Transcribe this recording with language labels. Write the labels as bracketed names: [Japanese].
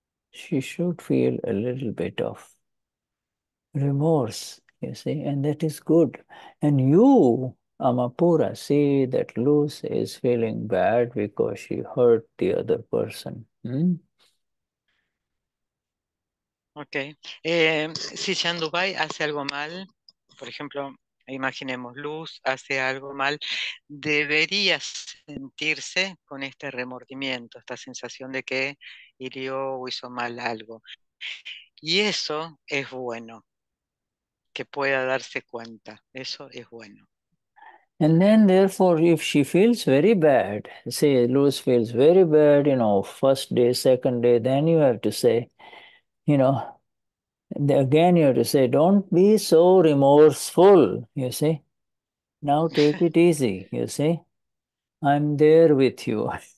[English] She should feel a little bit of remorse, you see, and that is good. And you, Amapura, see that Luz is feeling bad because she hurt the other person. Okay. [Spanish] Si Chandubai hace algo mal, por ejemplo, imaginemos, Luz hace algo mal, debería sentirse con este remordimiento, esta sensación de que hirió o hizo mal algo. Y eso es bueno, que pueda darse cuenta, eso es bueno. [English] And then, therefore, if she feels very bad, say, Luz feels very bad, you know, first day, second day, then you have to say, you know, again you have to say, don't be so remorseful, you see. Now take it easy, you see. I'm there with you.